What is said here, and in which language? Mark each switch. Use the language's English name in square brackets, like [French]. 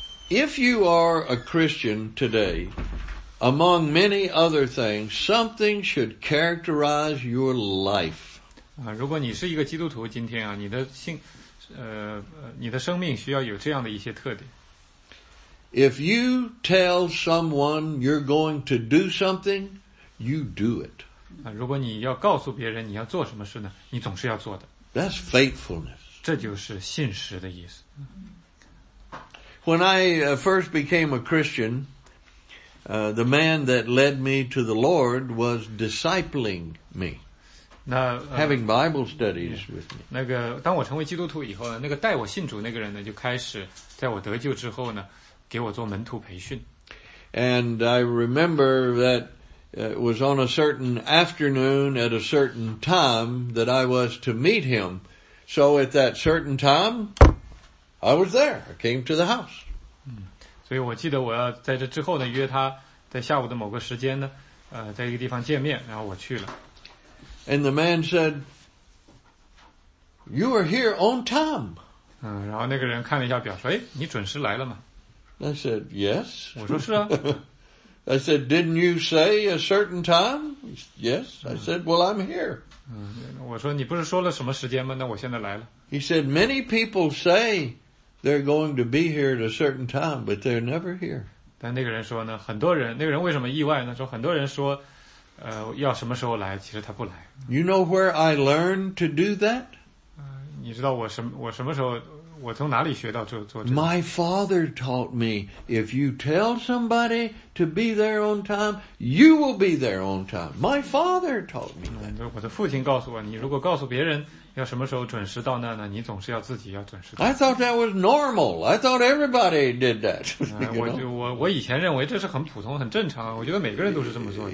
[English] If you are a Christian today, among many other things, something should characterize your life. [Chinese] 如果你是一个基督徒，今天啊，你的信。你的生命需要有这样的一些特点。 [English] If you tell someone you're going to do something, you do it. [Chinese] 如果你要告诉别人你要做什么事呢，你总是要做的。 [English] That's faithfulness. [Chinese] 这就是信实的意思。 [English] When I first became a Christian, the man that led me to the Lord was discipling me. Having Bible studies with me. [Chinese] 那个当我成为基督徒以后呢，那个带我信主那个人呢，就开始在我得救之后呢，给我做门徒培训。 [English] And I remember that it was on a certain afternoon at a certain time that I was to meet him. So at that certain time, I was there. I came to the house. [Chinese] 所以我记得我要在这之后呢，约他在下午的某个时间呢，在一个地方见面，然后我去了。 [English] And the man said, "You are here on time." [Chinese] 然后那个人看了一下表，说：“哎，你准时来了吗？” [English] I said, "Yes." [Chinese] 我说：“是啊。” [English] I said, "Didn't you say a certain time?" Yes. I said, "Well, I'm here." [Chinese] 我说：“你不是说了什么时间吗？那我现在来了。” [English] He said, "Many people say they're going to be here at a certain time, but they're never here." [Chinese] 但那个人说呢，很多人，那个人为什么意外呢？说很多人说。要什么时候来？其实他不来。 [English] You know where I learned to do that? [Chinese] 你知道我什么时候我从哪里学到做这个？ [English] My father taught me, if you tell somebody to be there on time, you will be there on time. My father taught me that. [Chinese] 我的父亲告诉我，你如果告诉别人要什么时候准时到那呢，你总是要自己要准时到。 [English] I thought that was normal. I thought everybody did that. [Chinese] 我以前认为这是很普通很正常，我觉得每个人都是这么做的。